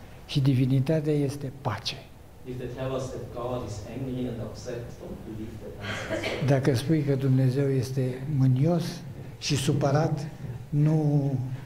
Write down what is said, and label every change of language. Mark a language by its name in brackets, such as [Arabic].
[Romanian] Și divinitatea este pace. [English] If they tell us that God is angry and upset, don't believe that. [Romanian] Dacă spui că Dumnezeu este mânios și supărat, nu.